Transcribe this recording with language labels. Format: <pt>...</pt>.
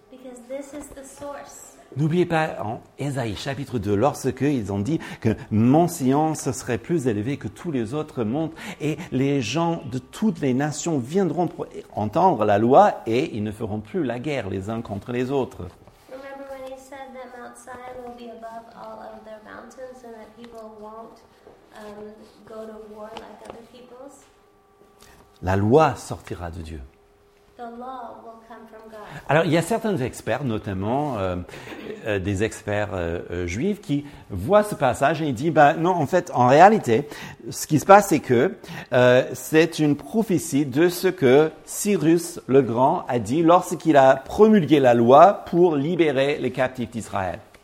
<en>Because this is the source.</en> <fr>N'oubliez pas en Ésaïe chapitre 2, lorsque ils ont dit que mon science serait plus élevée que tous les autres mondes et les gens de toutes les nations viendront pour entendre la loi et ils ne feront plus la guerre les uns contre les autres.</fr> <en>Remember when he said that Mount Zion will be above all of their mountains and that people won't go to war like other peoples.</en> <fr>La loi sortira de Dieu.</fr> <en>The law will come from God.</en> <fr>Alors, il y a certains experts, notamment des experts juifs, qui voient ce passage et ils disent, bah, non, en fait, en réalité, ce qui se passe, c'est que c'est une prophétie de ce que Cyrus le Grand a dit lorsqu'il a promulgué la loi pour libérer les captifs d'Israël.</fr>